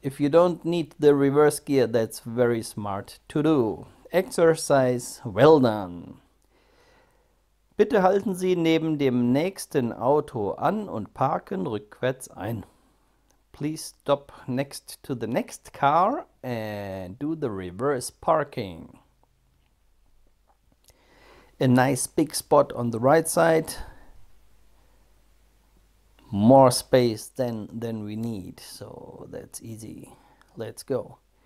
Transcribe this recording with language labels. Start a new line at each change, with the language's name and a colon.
English: If you don't need the reverse gear, that's very smart to do. Exercise well done.
German: Bitte halten Sie neben dem nächsten Auto an und parken rückwärts ein.
English: Please stop next to the next car and do the reverse parking. a nice big spot on the right side, more space than we need, so that's easy. Let's go.